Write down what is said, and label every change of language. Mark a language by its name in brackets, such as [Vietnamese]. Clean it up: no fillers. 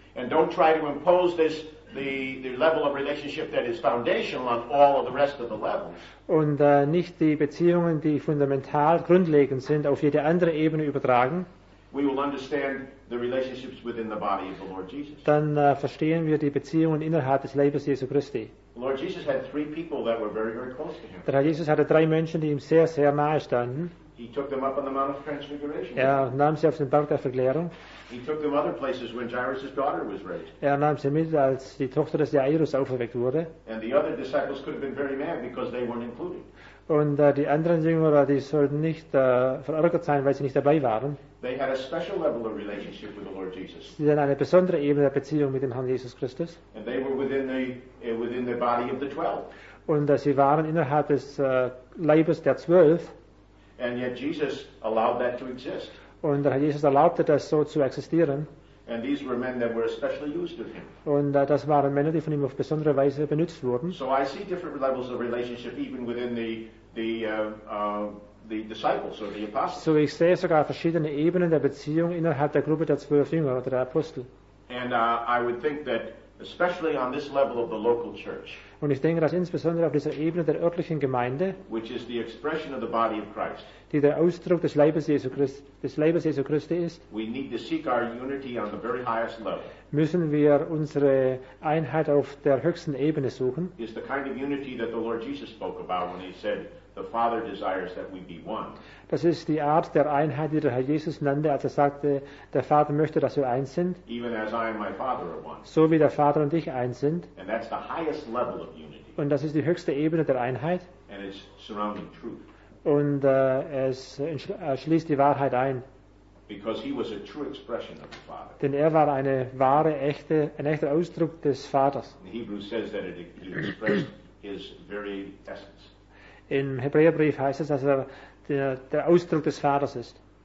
[English] And don't try to impose this. The level of relationship that is foundational on all of the rest of the levels. [German] Und nicht die Beziehungen, die fundamental grundlegend sind, auf jede andere Ebene übertragen. [English] We will understand the relationships within the body of the Lord Jesus. [German] Dann verstehen wir die Beziehungen innerhalb des Leibes Jesu Christi. [English] The Lord Jesus had three people that were very, very close to him. [German] Der Herr Jesus hatte drei Menschen, die ihm sehr, sehr nahe standen. [English] He took them up on the Mount of Transfiguration. [German] Er nahm sie auf den Berg der Verklärung. [English] He took them other places when Jairus' daughter was raised. [German] Er nahm sie mit, als die Tochter des Jairus auferweckt wurde. [English] And the other disciples could have been very mad because they weren't included. [German] Und die anderen Jünger, die sollten nicht verärgert sein, weil sie nicht dabei waren. [English] They had a special level of relationship with the Lord Jesus. [German] Sie hatten eine besondere Ebene der Beziehung mit dem Herrn Jesus Christus. [English] And they were within the body of the 12. [German] Und sie waren innerhalb des Leibes der 12. [English] And yet Jesus allowed that to exist. [German] Und der Herr Jesus erlaubte das so zu existieren. [English] And these were men that were especially used of him. [German] Und das waren Männer, die von ihm auf besondere Weise benutzt wurden. [English] So I see different levels of relationship even within the the disciples or the apostles. [German] So ich sehe sogar verschiedene Ebenen der Beziehung innerhalb der Gruppe der zwölf Jünger oder der Apostel. [English] And I would think that especially on this level of the local church. [German] Und ich denke, dass insbesondere auf dieser Ebene der örtlichen Gemeinde, [English] which is the expression of the body of Christ, [German] die der Ausdruck des Leibes Jesu Christi, ist, [English] we need to seek our unity on the very highest level. [German] Müssen wir unsere Einheit auf der höchsten Ebene suchen. [English] Is the kind of unity that the Lord Jesus spoke about when he said the Father desires that we be one. [German] Das ist die Art der Einheit, die der Herr Jesus nannte, als er sagte, der Vater möchte, dass wir eins sind. [English] Even as I and my Father are one. [German] So wie der Vater und ich eins sind. [English] And that's the highest level of unity. [German] Und das ist die höchste Ebene der Einheit. [English] And it's surrounding truth. [German] Und es schließt die Wahrheit ein. [English] Because he was a true expression of the Father. [German] Denn er war eine wahre, echte, ein echter Ausdruck des Vaters. [English] The Hebrew says that it expressed his very essence. [German] Im Hebräerbrief heißt es, dass er der Ausdruck des Vaters ist.